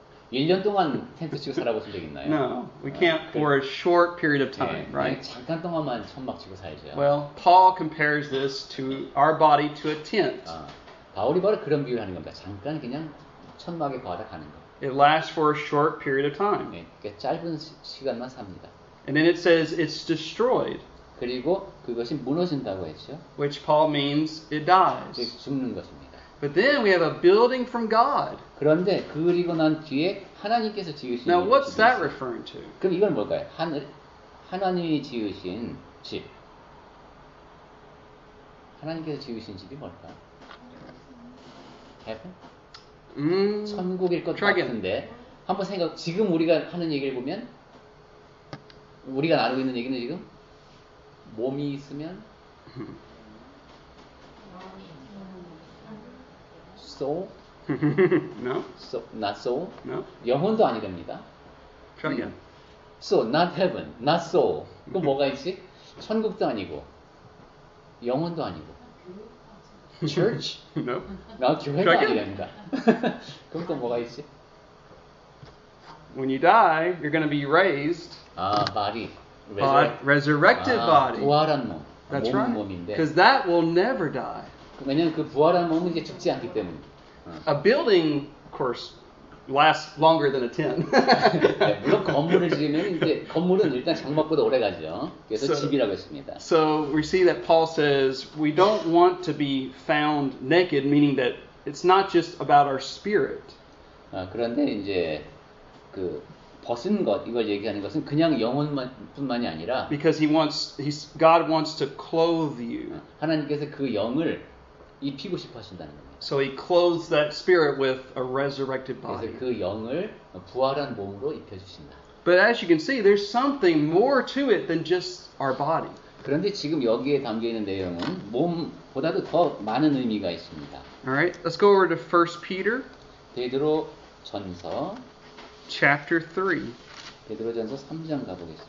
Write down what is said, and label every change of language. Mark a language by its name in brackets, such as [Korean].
[Korean] 1년 동안 텐트 치고 살아보신 적 있나요? [English] No, we camp for a short period of time, 네, right? [Korean] 잠깐 동안만 천막 치고 살죠. [English] Well, Paul compares this to our body to a tent. [Korean] 바울이 바로 그런 비유를 하는 겁니다. 잠깐 그냥 천막에 거하다 가는 거. [English] It lasts for a short period of time. [Korean] 네, 짧은 시간만 삽니다. [English] And then it says it's destroyed. [Korean] 그리고 그것이 무너진다고 했죠. [English] Which Paul means it dies. [Korean] 즉 죽는 것입니다. [English] But then we have a building from God. [Korean] 그런데 그리고 난 뒤에 하나님께서 지으신. [English] Now what's that referring to? [Korean] 그럼 이건 뭘까요? 하나님이 지으신 집. 하나님께서 지으신 집이 뭘까? Heaven? 천국일 것 같은데 한번 생각 지금 우리가 하는 얘기를 보면 우리가 나누고 있는 얘기는 지금 몸이 있으면 soul? [English] No? So, not soul? No? [Korean] 영혼도 아니랍니다. [English] Try again. So, not heaven, not soul. [Korean] 그럼 뭐가 있지? 천국도 아니고 영혼도 아니고 [English] Church? No? [Korean] 나 교회도 아니랍니다. 그럼 또 뭐가 있지? [English] When you die, you're going to be raised. [Korean] 아, body. [English] Resurrected body. [Korean] 부활한 몸. [English] That's [Korean] 몸, [English] right. [Korean] 몸인데. [English] Because that will never die. [Korean] 왜냐하면 그 부활한 몸은 이제 죽지 않기 때문에. [English] A building, of course, lasts longer than a tent. [Korean] 물론 건물을 지으면 이제 건물은 일단 장막보다 오래 가죠. 그래서 so, 집이라고 했습니다. [English] So we see that Paul says we don't want to be found naked, meaning that it's not just about our spirit. [Korean] 그런데 이제 그 벗은 것 이걸 얘기하는 것은 그냥 영혼뿐만이 아니라. [English] Because God wants to clothe you. [Korean] 하나님께서 그 영을 입히고 싶어 하신다는 겁니다. [English] So he clothes that spirit with a resurrected body. [Korean] 그래서 그 영을 부활한 몸으로 입혀주신다. [English] But as you can see, there's something more to it than just our body. [Korean] 그런데 지금 여기에 담겨 있는 내용은 몸보다도 더 많은 의미가 있습니다. [English] All right, let's go over to 1 Peter. [Korean] 베드로 전서. [English] Chapter 3. [Korean] 베드로 전서 3장 가보겠습니다.